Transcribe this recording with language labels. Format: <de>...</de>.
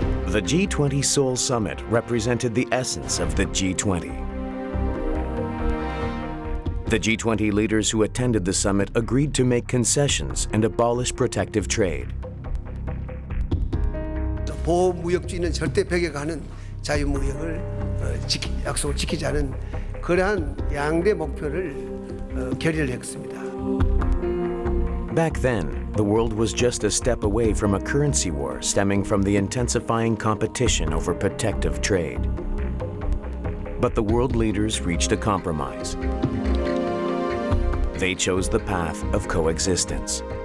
<en>The G20 Seoul Summit represented the essence of the G20. The G20 leaders who attended the summit agreed to make concessions and abolish protective trade.</en> <ko>보호무역주의는 절대 배격하는 자유무역을 약속을 지키자는 그러한 양대 목표를 결렬했습니다.</ko> <en>Back then, the world was just a step away from a currency war stemming from the intensifying competition over protective trade. But the world leaders reached a compromise. They chose the path of coexistence.</en>